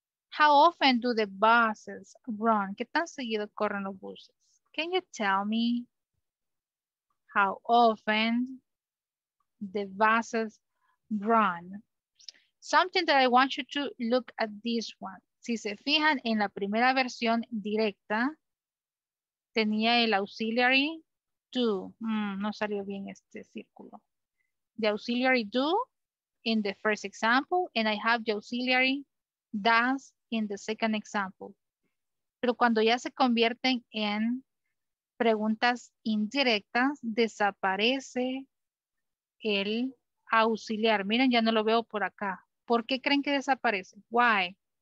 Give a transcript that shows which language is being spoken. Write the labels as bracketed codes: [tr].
[en] How often do the buses run? [es] ¿Qué tan seguido corren los buses? [en] Can you tell me how often the buses run? Something that I want you to look at this one. [es] Si se fijan en la primera versión directa, tenía el auxiliary do. No salió bien este círculo. [en] The auxiliary do in the first example, and I have the auxiliary does in the second example. [es] Pero cuando ya se convierten en preguntas indirectas, desaparece el auxiliar. Miren, ya no lo veo por acá. ¿Por qué creen que desaparece? Why?